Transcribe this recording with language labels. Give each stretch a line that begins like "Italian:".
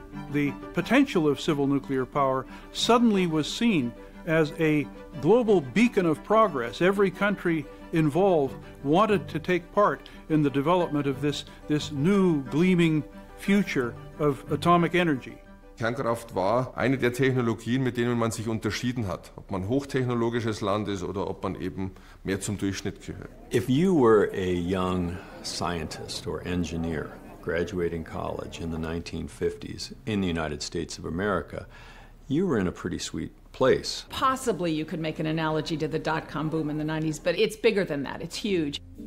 English: the potential of civil nuclear power suddenly was seen as a global beacon of progress. Every country involved wanted to take part in the development of this new gleaming future of atomic energy.
German: Kernkraft war eine der Technologien, mit denen man sich unterschieden hat, ob man hochtechnologisches Land ist oder ob man eben mehr zum Durchschnitt gehört.
English: If you were a young scientist or engineer graduating college in the 1950s in the United States of America, you were in a pretty sweet place. Possibly you could make an analogy to the dot-com boom in the 90s, but it's bigger than that. It's huge.